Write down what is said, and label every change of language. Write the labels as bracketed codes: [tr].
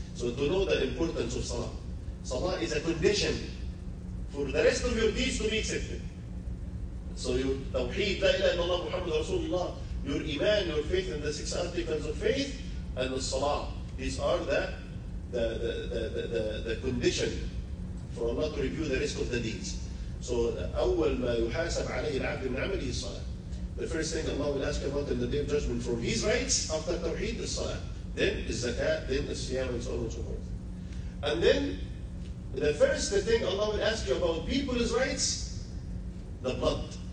[en] So to know the importance of salah. Salah is a condition for the rest of your deeds to be accepted. So your tawheed, la ilaha illallah Muhammad Rasulullah, your iman, your faith, and the six articles of faith, and the salah, these are the condition for Allah to review the risk of the deeds. So [ar] أول ما يحاسب عليه العبد من عمله الصلاة. [en] The first thing Allah will ask about in the day of judgment for his rights after Tawheed is salah. Then is zakat, then is siyam, and so on and so forth. And then the first thing Allah will ask you about people's rights, the blood.